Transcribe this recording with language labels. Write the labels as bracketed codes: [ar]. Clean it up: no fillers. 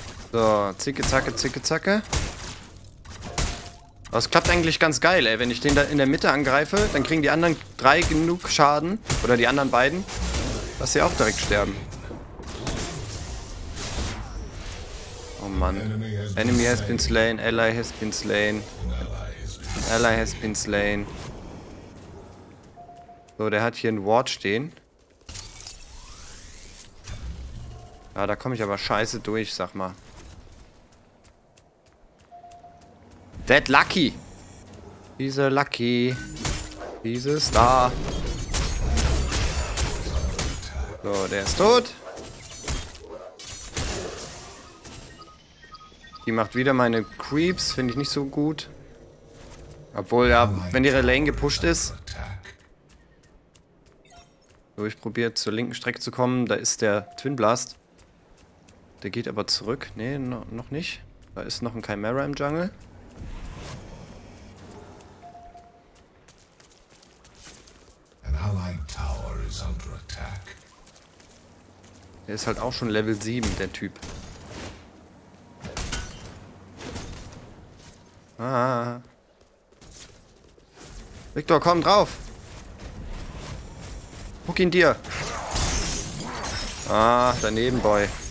[de] So, zicke, zacke, zicke, zacke. Das klappt eigentlich ganz geil, ey. Wenn ich den da in der Mitte angreife, dann kriegen die anderen drei genug Schaden. Oder die anderen beiden, dass sie auch direkt sterben. Oh Mann. [en] Enemy has been slain, Ally has been slain. Ally has been slain. [de] So, der hat hier ein Ward stehen. Ja, da komme ich aber scheiße durch, sag mal. [en] That lucky. He's a lucky. He's a star. [de] So, der ist tot. Die macht wieder meine Creeps. Finde ich nicht so gut. Obwohl, ja, wenn ihre Lane gepusht ist. So, ich probiere zur linken Strecke zu kommen. Da ist der Twin Blast. Der geht aber zurück. Nee, noch nicht. Da ist noch ein Chimera im Jungle. [en] An allied tower is under attack. [de] Der ist halt auch schon Level 7, der Typ. Ah. Victor, komm drauf! Huck ihn dir! Ah, daneben, Boy.